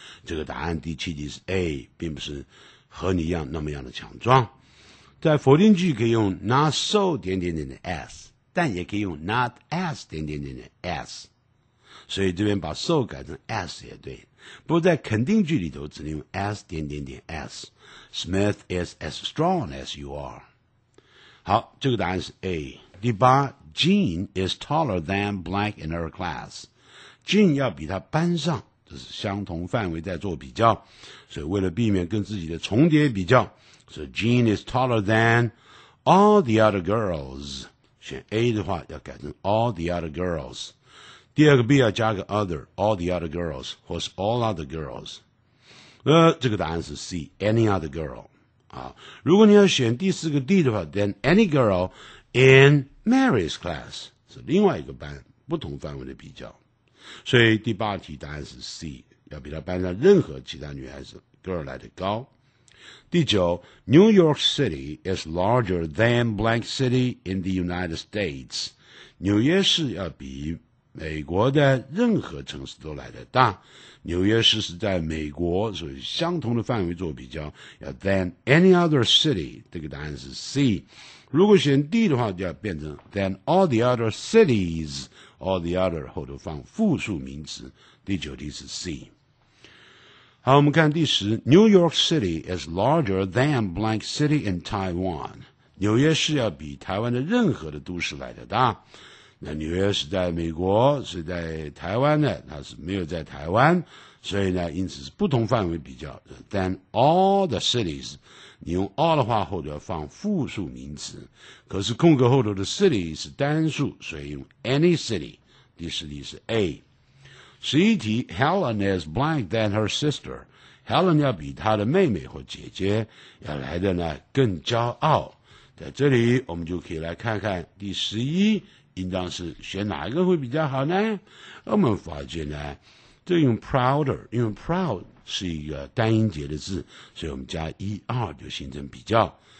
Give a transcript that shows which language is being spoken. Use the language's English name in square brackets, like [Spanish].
[Chinese] 这个答案第七题是 A， 并不是和你一样那么样的强壮。在否定句可以用 not so 点点点的 s， 但也可以用 not as 点点点的 s， 所以这边把 so 改成 s 也对，不过在肯定句里头只能用 s 点点点 s。 [English] Smith is as strong as you are. [Chinese] 好，这个答案是 A。第八 [English] Jean is taller than blank in her class， [Chinese] Jean 要比他班上，这是相同范围在做比较，所以为了避免跟自己的重叠比较，所以 [English] Jean is taller than all the other girls， [Chinese] 选 A 的话要改成 [English] all the other girls， [Chinese] 第二个 B 要加个 other， all the other girls 或是 [English] all other girls。 [Chinese] 这个答案是 C， [English] any other girl。 [Chinese] 如果你要选第四个 D 的话， [English] then any girl in Mary's class [Chinese] 是另外一个班，不同范围的比较，所以第八题答案是 C， 要比他班上任何其他女孩子 girl 来得高。第九 [English] New York City is larger than blank city in the United States， [Chinese] 纽约市要比美国的任何城市都来得大，纽约市是在美国，所以相同的范围做比较，要 [English] than any other city， [Chinese] 这个答案是 C。如果选 D 的话就要变成 [English] than all the other cities， all the other [Chinese] 后头放复数名词。第九题是 C。好，我们看第十 ， [English] New York City is larger than blank city in Taiwan。 [Chinese] 纽约市要比台湾的任何的都市来的大。那纽约是在美国，是在台湾的，它是没有在台湾，所以呢，因此是不同范围比较。 [English] Than all the cities， [Chinese] 你用 all 的话后头要放复数名词，可是空格后头的 city 是单数，所以用 any city。第十题是 A。十一题 ， [English] Helen is blank than her sister。 [Chinese] Helen 要比她的妹妹或姐姐要来的呢更骄傲。在这里，我们就可以来看看第十一应当是选哪一个会比较好呢？我们发现呢，就用 prouder， 因为 proud 是一个单音节的字，所以我们加一二就形成比较。